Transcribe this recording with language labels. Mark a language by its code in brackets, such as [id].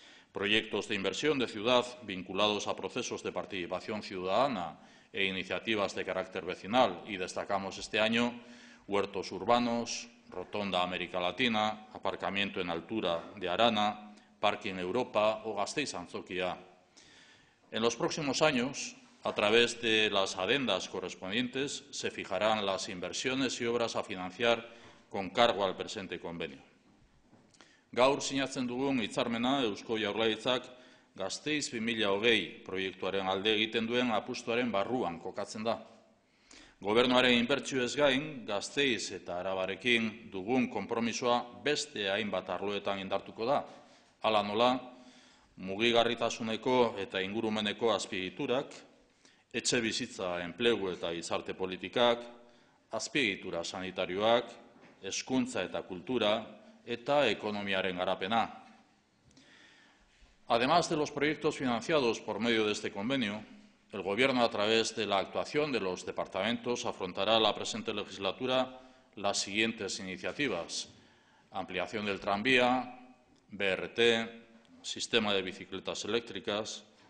[es] proyectos de inversión de ciudad vinculados a procesos de participación ciudadana e iniciativas de carácter vecinal, y destacamos este año huertos urbanos, rotonda América Latina, aparcamiento en altura de Arana, Parking Europa o Gasteiz Antzokia. En los próximos años, a través de las adendas correspondientes, se fijarán las inversiones y obras a financiar con cargo al presente convenio. [eu] Gaur sinatzen dugun hitzarmena Eusko Jaurlaritzak Gasteiz 2020 proiektuaren alde egiten duen apustuaren barruan kokatzen da. Gobernuaren inbertsioez gain, Gasteiz eta Arabarekin dugun konpromisoa beste hainbat arloetan indartuko da. Hala nola, mugigarritasuneko eta ingurumeneko azpiegiturak, etxe bizitza, enplegu eta gizarte politikak, azpiegitura sanitarioak, hezkuntza eta kultura eta ekonomiaren garapena. [es] Además de los proyectos financiados por medio de este convenio, el Gobierno, a través de la actuación de los departamentos, afrontará la presente legislatura las siguientes iniciativas: ampliación del tranvía, BRT, sistema de bicicletas eléctricas,